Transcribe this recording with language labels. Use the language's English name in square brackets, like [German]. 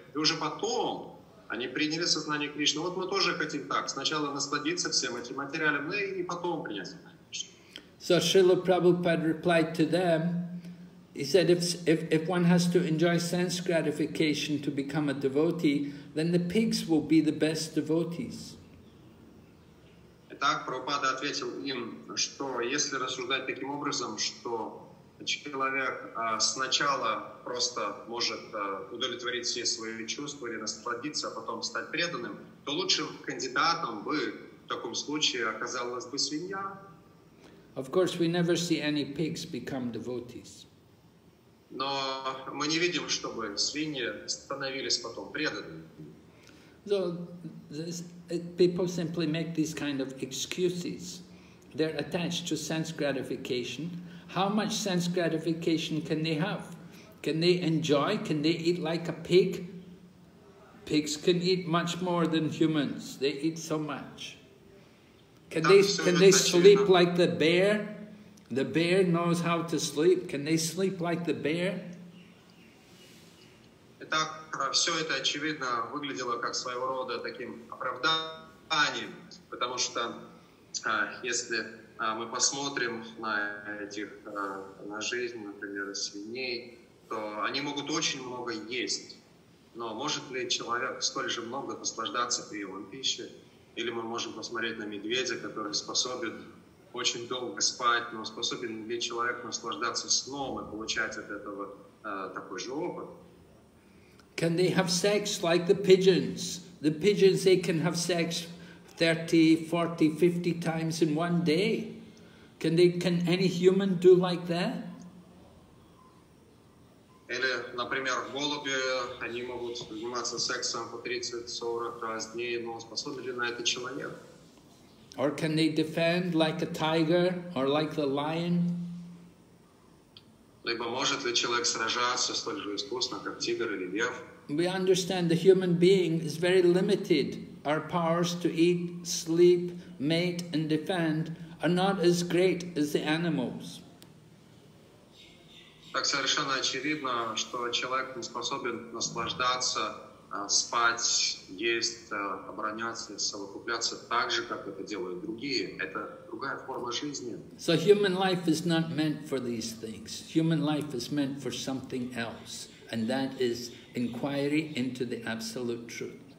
[Russian] И уже потом они приняли сознание Кришны. Вот мы тоже хотим так, сначала насладиться всем этим материалом, ну и потом принять сознание Кришны. [English] So Srila Prabhupada replied to them, he said, if one has to enjoy sense gratification to become a devotee, then the pigs will be the best devotees. [Russian] Итак, Прабхупада ответил им, что если рассуждать таким образом, что человек сначала просто может удовлетворить все свои чувства или насладиться, а потом стать преданным, то лучшим кандидатом бы в таком случае оказалась бы свинья. [English] Of course, we never see any pigs become devotees. [Russian] Но мы не видим, чтобы свиньи становились потом преданными. [English] So, people simply make these kind of excuses. They're attached to sense gratification. How much sense gratification can they have? Can they enjoy? Can they eat like a pig? Pigs can eat much more than humans. They eat so much. Can they sleep like the bear? The bear knows how to sleep. Can they sleep like the bear? [Russian] Итак, все это очевидно выглядело как своего рода таким оправданием, потому что если мы посмотрим на этих на жизнь, например, свиней, то они могут очень много есть. Но может ли человек столь же много наслаждаться приемом пищи? Или мы можем посмотреть на медведя, который способен очень долго спать, но способен ли человек наслаждаться сном и получать от этого такой же опыт? [English] Can they have sex like the pigeons? The pigeons, they can have sex 30, 40, 50 times in one day. Can any human do like that? [Russian] Или, например, голуби, они могут заниматься сексом по 30-40 раз в день, но способен ли на это человек? [English] Or can they defend like a tiger or like the lion? [Russian] Либо может ли человек сражаться столь же искусно, как тигр или лев? [English] We understand the human being is very limited. Our powers to eat, sleep, mate, and defend are not as great as the animals. [Russian] Так совершенно очевидно, что человек не способен наслаждаться, спать, есть, обороняться, совокупляться так же, как это делают другие. Это другая форма жизни. [English] So human life is not meant for these things. Human life is meant for something else. And that is inquiry into the absolute truth.